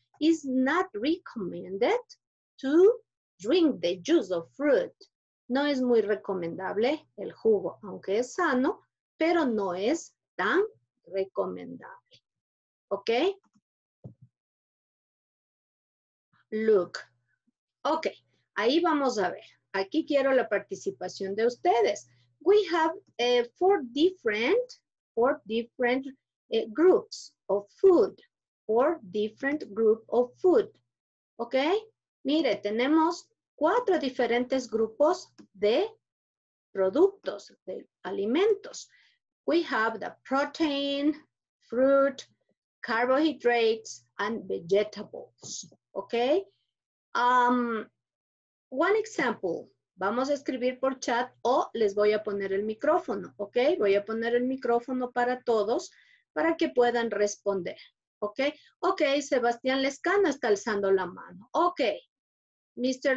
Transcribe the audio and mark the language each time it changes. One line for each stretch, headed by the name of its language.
English: It's not recommended to drink the juice of fruit.
Spanish: No es muy recomendable el jugo, aunque es sano, pero no es tan recomendable.
English: Okay?
Spanish: Look. Okay, ahí vamos a ver. Aquí quiero la participación de ustedes.
English: We have four different groups of food. Four different groups of food. ¿Ok?
Spanish: Mire, tenemos cuatro diferentes grupos de productos, de alimentos.
English: We have the protein, fruit, carbohydrates, and vegetables. ¿Ok? One example,
Spanish: vamos a escribir por chat o les voy a poner el micrófono, ¿ok? Voy a poner el micrófono para todos para que puedan responder, ¿ok? Ok, Sebastián Lescano está alzando la mano. Ok, Mr.